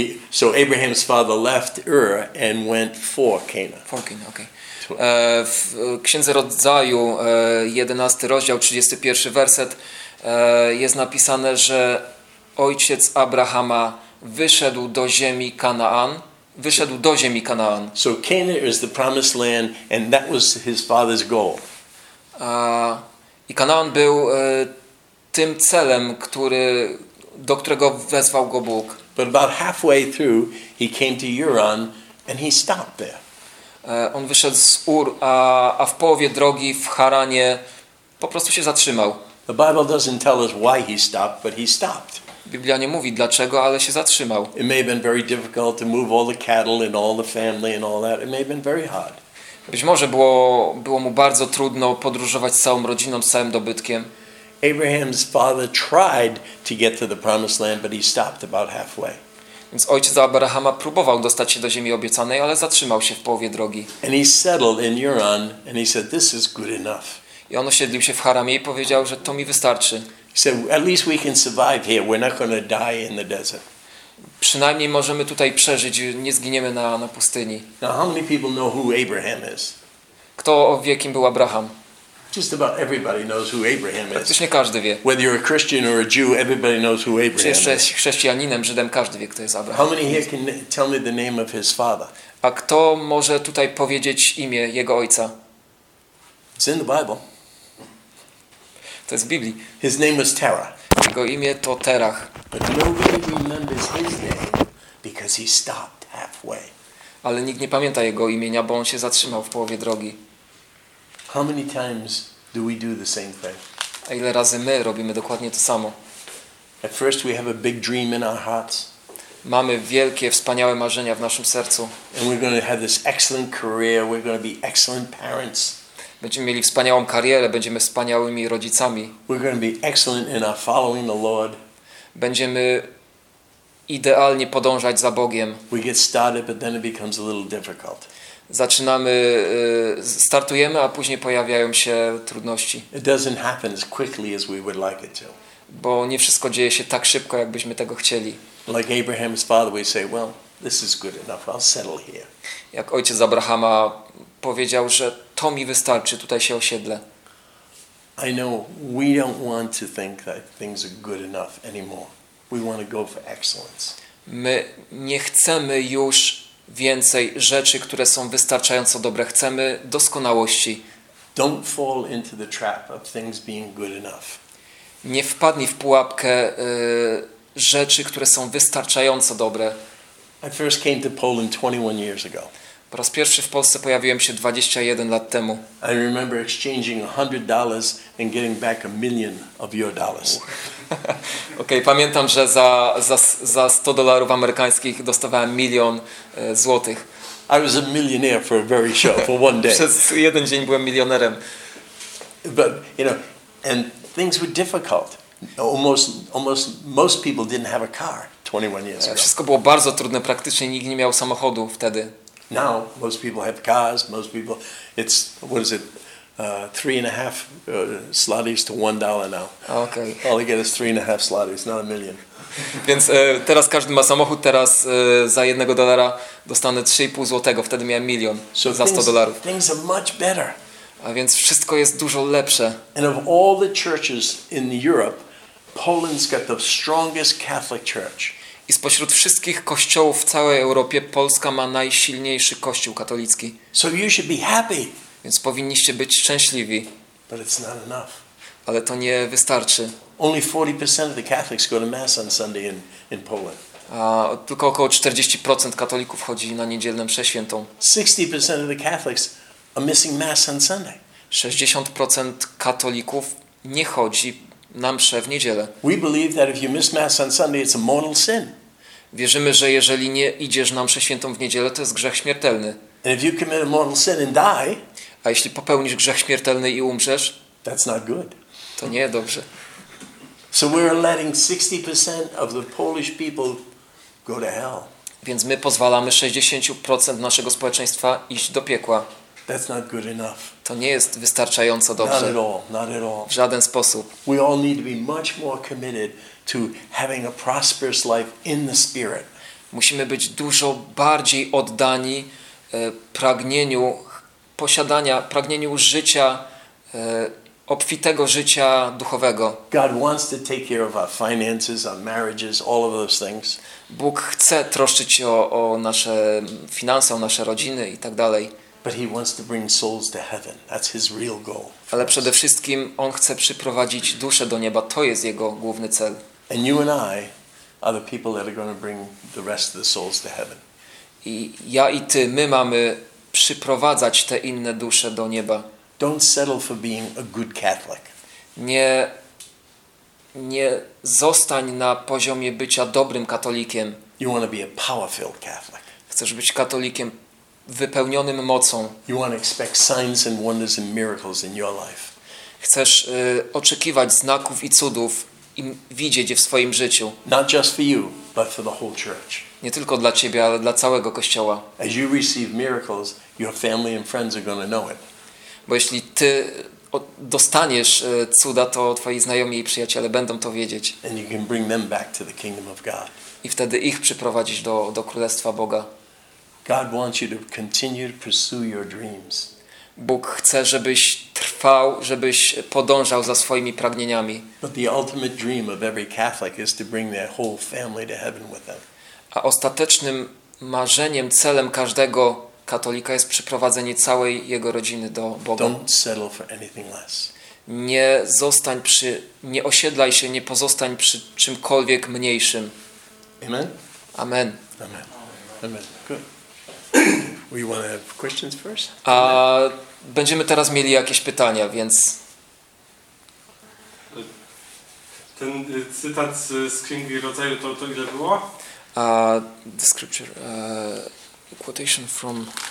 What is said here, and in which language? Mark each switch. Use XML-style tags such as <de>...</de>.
<en>So Abraham's father left Ur and went for Cana. For Cana, okay.</en> <pl>W Księdze Rodzaju, 11 rozdział, 31 werset, jest napisane, że ojciec Abrahama wyszedł do ziemi Kanaan. Wyszedł do ziemi Kanaan.</pl> <en>So Cana is the promised land and that was his father's goal.</en> <pl>I Kanaan był tym celem, do którego wezwał go Bóg.</pl> <en>But about halfway through, he came to Uran and he stopped there.</en> <pl>On wyszedł z Ur, a w połowie drogi w Haranie po prostu się zatrzymał.</pl> <en>The Bible doesn't tell us why he stopped, but he stopped.</en> <pl>Biblia nie mówi dlaczego, ale się zatrzymał.</pl> <en>It may have been very difficult to move all the cattle and all the family and all that. It may have been very hard.</en> <pl>Być może było mu bardzo trudno podróżować z całą rodziną, z całym dobytkiem.</pl> <en>Abraham's father tried to get to the promised land, but he stopped about halfway.</en> <pl>Więc ojciec Abrahama próbował dostać się do ziemi obiecanej, ale zatrzymał się w połowie drogi.</pl> <en>And he settled in Uran and he said, "This is good enough."</en> <pl>I on osiedlił się w Haramie i powiedział, że to mi wystarczy.</pl> <en>So at least we can survive here. We're not going to die in the desert.</en> <pl>Przynajmniej możemy tutaj przeżyć, nie zginiemy na pustyni.</pl> <en>Now, how many people know who Abraham is?</en> <pl>Kto wie, kim był Abraham?</pl> <en>Just about everybody knows who Abraham is.</en> <pl>Praktycznie każdy wie.</pl> <en>Whether you're a Christian or a Jew, everybody knows who Abraham is.</en> <pl>Czy jesteś chrześcijaninem, Żydem, każdy wie, kto jest Abraham.</pl> <en>How many here can tell me the name of his father?</en> <pl>A kto może tutaj powiedzieć imię jego ojca?</pl> <en>It's in the Bible.</en> <pl>To jest w Biblii.</pl> <en>His name was Terah.</en> <pl>Jego imię to Terach.</pl> <en>But nobody remembers his name because he stopped halfway.</en> <pl>Ale nikt nie pamięta jego imienia, bo on się zatrzymał w połowie drogi.</pl> <en>How many times do we do the same thing?</en> <pl>A ile razy my robimy dokładnie to samo?</pl> <en>At first we have a big dream in our hearts.</en> <pl>Mamy wielkie, wspaniałe marzenia w naszym sercu.</pl> <en>And we're going to have this excellent career. We're going to be excellent parents.</en> <pl>Będziemy mieli wspaniałą karierę, będziemy wspaniałymi rodzicami.</pl> <en>We're going to be excellent in our following the Lord.</en> <pl>Będziemy idealnie podążać za Bogiem.</pl> <en>We get started, but then it becomes a little difficult.</en> <pl>Zaczynamy, startujemy, a później pojawiają się trudności.</pl> <en>It doesn't happen as quickly as we would like it to.</en> <pl>Bo nie wszystko dzieje się tak szybko, jakbyśmy tego chcieli.</pl> <en>Like Abraham's father, we say, "Well, this is good enough. I'll settle here."</en> <pl>Jak ojciec Abrahama powiedział, że to mi wystarczy, tutaj się osiedlę.</pl> <en>I know we don't want to think that things are good enough anymore. We want to go for excellence.</en> <pl>My nie chcemy już więcej rzeczy, które są wystarczająco dobre. Chcemy doskonałości.</pl> <en>Don't fall into the trap of things being good enough.</en> <pl>Nie wpadnij w pułapkę rzeczy, które są wystarczająco dobre.</pl> <en>I first came to Poland 21 years ago.</en> <pl>Po raz pierwszy w Polsce pojawiłem się 21 lat temu.</pl> <en>I remember exchanging $100 and getting back $1 million of your dollars.</en> <pl>Okej, pamiętam, że za $100 amerykańskich dostawałem milion złotych.</pl> <en>I was a millionaire for a very short, for one day.</en> <pl>Przez jeden dzień byłem milionerem.</pl> <en>But, you know, and things were difficult. Almost most people didn't have a car 21 years ago.</en> <pl>Wszystko było bardzo trudne, praktycznie nikt nie miał samochodu wtedy.</pl> <en>Now most people have cars. Most people, it's what is it, three and a half zlotys to $1 now. Okay. All you get is three and a half zlotys, not a million.</en> <pl>Więc teraz każdy ma samochód. Teraz za jednego dolara dostanę 3,5 złotego. Wtedy miałem milion za $100.</pl> <en>Things are much better.</en> <pl>A więc wszystko jest dużo lepsze.</pl> <en>And of all the churches in Europe, Poland's got the strongest Catholic Church.</en> <pl>I spośród wszystkich kościołów w całej Europie Polska ma najsilniejszy kościół katolicki.</pl> <en>So you should be happy.</en> <pl>Więc powinniście być szczęśliwi.</pl> <en>But it's not enough.</en> <pl>Ale to nie wystarczy.</pl> <en>Only 40% of the Catholics go to mass on Sunday in Poland.</en> <pl>A tylko około 40% katolików chodzi na niedzielną mszę świętą.</pl> <en>60% of the Catholics are missing mass on Sunday.</en> <pl>60% katolików nie chodzi na mszę w niedzielę.</pl> <en>We believe that if you miss mass on Sunday, it's a mortal sin.</en> <pl>Wierzymy, że jeżeli nie idziesz na mszę świętą w niedzielę, to jest grzech śmiertelny.</pl> <en>And if you commit a mortal sin and die,</en> <pl>a jeśli popełnisz grzech śmiertelny i umrzesz,</pl> <en>that's not good.</en> <pl>To nie dobrze.</pl> <en>So we're letting 60% of the Polish people go to hell.</en> <pl>Więc my pozwalamy 60% naszego społeczeństwa iść do piekła.</pl> <en>That's not good enough.</en> <pl>To nie jest wystarczająco dobrze.</pl> <en>Not at all.</en> <pl>W żaden sposób.</pl> <en>We all need to be much more committed to having a prosperous life in the spirit.</en> <pl>Musimy być dużo bardziej oddani pragnieniu posiadania, pragnieniu życia, obfitego życia duchowego.</pl> <en>God wants to take care of our finances, our marriages, all of those things.</en> <pl>Bóg chce troszczyć się o nasze finanse, o nasze rodziny i tak dalej.</pl> <en>But he wants to bring souls to heaven. That's his real goal.</en> <pl>Ale przede wszystkim on chce przyprowadzić dusze do nieba. To jest jego główny cel.</pl> <en>And you and I are the people that are going to bring the rest of the souls to heaven.</en> <pl>I ja i ty, my mamy przyprowadzać te inne dusze do nieba.</pl> <en>Don't settle for being a good Catholic.</en> <pl>Nie zostań na poziomie bycia dobrym katolikiem.</pl> <en>You want to be a power-filled Catholic.</en> <pl>Chcesz być katolikiem wypełnionym mocą.</pl> <en>You want to expect signs and wonders and miracles in your life.</en> <pl>chcesz oczekiwać znaków i cudów i widzieć je w swoim życiu.</pl> <en>Not just for you, but for the whole church.</en> <pl>Nie tylko dla ciebie, ale dla całego kościoła.</pl> <en>As you receive miracles, your family and friends are going to know it.</en> <pl>Bo jeśli ty dostaniesz cuda, to twoi znajomi i przyjaciele będą to wiedzieć.</pl> <en>And you can bring them back to the kingdom of God.</en> <pl>I wtedy ich przyprowadzisz do Królestwa Boga.</pl> <en>God wants you to continue to pursue your dreams.</en> <pl>Bóg chce, żebyś trwał, żebyś podążał za swoimi pragnieniami.</pl> <en>But the ultimate dream of every Catholic is to bring their whole family to heaven with them.</en> <pl>A ostatecznym marzeniem, celem każdego katolika jest przyprowadzenie całej jego rodziny do Boga.</pl> <en>Don't settle for anything less.</en> <pl>Nie zostań przy, nie osiedlaj się, nie pozostań przy czymkolwiek mniejszym.</pl> <en>Amen.</en> <pl>Amen.</pl> <en>Amen. Amen. Good. We want to have questions first.</en> <pl>A będziemy teraz mieli jakieś pytania, więc. Ten cytat z Księgi Rodzaju to ile było?</pl> <en>The scripture quotation from</en>